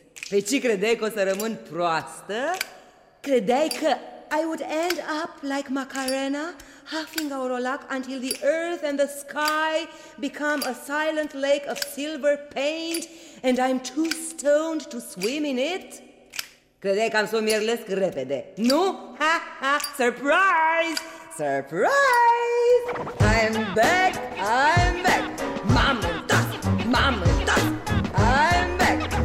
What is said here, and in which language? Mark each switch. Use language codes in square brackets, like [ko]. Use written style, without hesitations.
[ro] Pe ce credeai că o să rămân proastă? Credeai că [en] I would end up like Macarena, huffing our luck until the earth and the sky become a silent lake of silver paint and I'm too stoned to swim in it? [ro] Credeai că am să o mierlesc repede, nu? [en] Ha, ha, surprise! Surprise! I'm back! I'm back! [ro] Mamă, tas! Mamă, tas! [en] I'm back!